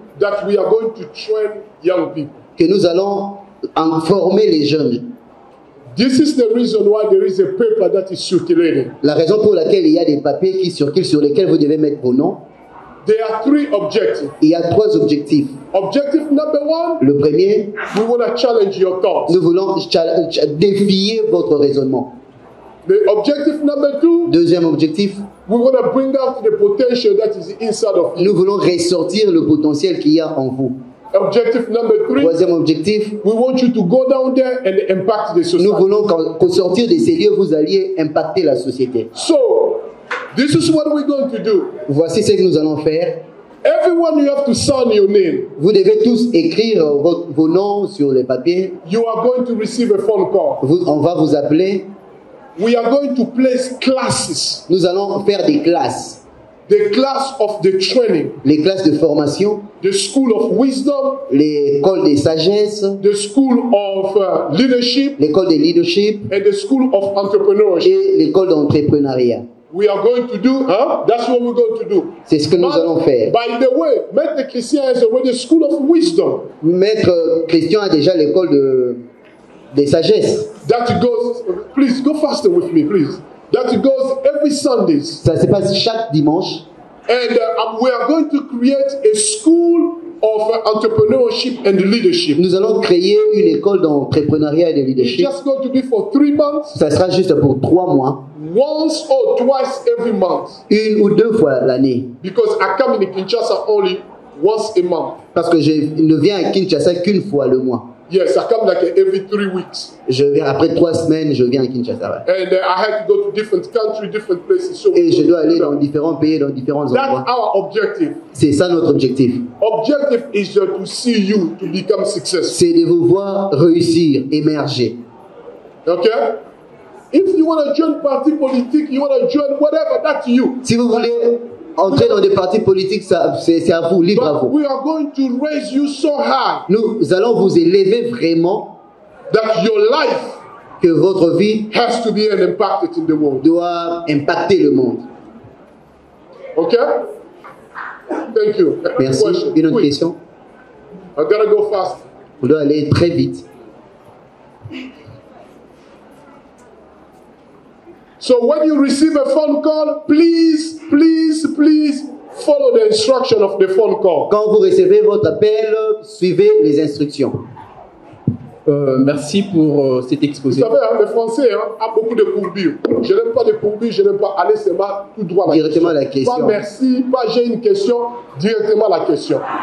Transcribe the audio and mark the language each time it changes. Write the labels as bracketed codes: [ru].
[en] that we are going to train young people, [fr] que nous allons en former les jeunes. [en] This is the reason why there is a paper that is circulating. [fr] La raison pour laquelle il y a des papiers qui circulent sur lesquels vous devez mettre vos noms. [en] There are three objectives. [fr] Il y a trois objectifs. [en] Objective number one. [fr] Le premier. [en] We want to challenge your thoughts. [fr] Nous voulons défier votre raisonnement. [en] The objective number two. [fr] Deuxième objectif. [en] We want to bring out the potential that is inside of you. [fr] Nous voulons ressortir le potentiel qu'il y a en vous. [en] Objective number three. [fr] Troisième objectif. [en] We want you to go down there and impact the society. [fr] Nous voulons qu'au sortir de ces lieux, vous alliez impacter la société. [en] So, this is what we're going to do. [fr] Voici ce que nous allons faire. [en] Everyone, you have to sign your name. [fr] Vous devez tous écrire vos noms sur les papiers. [en] You are going to receive a phone call. [fr] On va vous appeler. [en] We are going to place classes. [fr] Nous allons faire des classes. [en] The class of the training, [fr] les classes de formation, [en] the school of wisdom, [fr] l'école des sagesse, [en] the school of leadership, [fr] l'école de leadership, [en] and the school of entrepreneurship, [fr] et l'école d'entrepreneuriat. [en] We are going to do, huh? That's what we're going to do. [fr] C'est ce que nous allons faire. [en] By the way, Maître Christian has already the school of wisdom. [fr] Maître Christian a déjà l'école de sagesse. [en] That goes, please go faster with me, please. That goes every Sundays. [fr] Ça se passe chaque dimanche. [en] And we are going to create a school of entrepreneurship and leadership. [fr] Nous allons créer une école d'entrepreneuriat et de leadership. [en] It's just going to be for 3 months. [fr] Ça sera juste pour 3 mois. [en] Once or twice every month. [fr] Une ou deux fois l'année. [en] Because I come in Kinshasa only once a month. [fr] Parce que je ne viens à Kinshasa qu'une fois le mois. [en] Yes, I come like every 3 weeks. [fr] Je viens après 3 semaines, je viens à Kinshasa. [en] And I have to go to different countries, different places. So [fr] et je dois aller dans différents pays, dans différents endroits. [en] That's our objective. [fr] C'est ça notre objectif. [en] Objective is to see you to become successful. [fr] C'est de vous voir réussir, émerger. [en] Okay? If you want to join [fr] party politique, [en] you want to join whatever, that's you. [fr] Si vous voulez entrer dans des partis politiques, ça, c'est à vous, libre [en] But [fr] à vous. [en] We are going to raise you so high, [fr] nous allons vous élever vraiment [en] that your life [fr] que votre vie [en] has to be an impact in the world. [fr] Doit impacter le monde. [en] Ok? Thank you. [fr] Merci. Une autre question? [en] I gotta go fast. [fr] On doit aller très vite. [en] So when you receive a phone call, please, please, please follow the instruction of the phone call. [fr] Quand vous recevez votre appel, suivez les instructions. Merci pour cet exposé. Vous savez, hein, le français a beaucoup de courbures. Je n'aime pas de courbures, je n'aime pas aller se battre tout droit. Directement la question. Pas merci, pas j'ai une question, directement la question.